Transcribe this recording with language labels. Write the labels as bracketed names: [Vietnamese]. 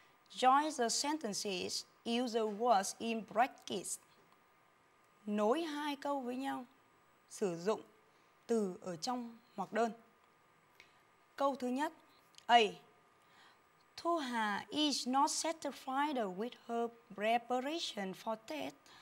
[English] Join the sentences, use the words in brackets. [Vietnamese] Nối hai câu với nhau, sử dụng từ ở trong hoặc đơn. Câu thứ nhất, A. [English] Thu Hà is not satisfied with her preparation for Tết.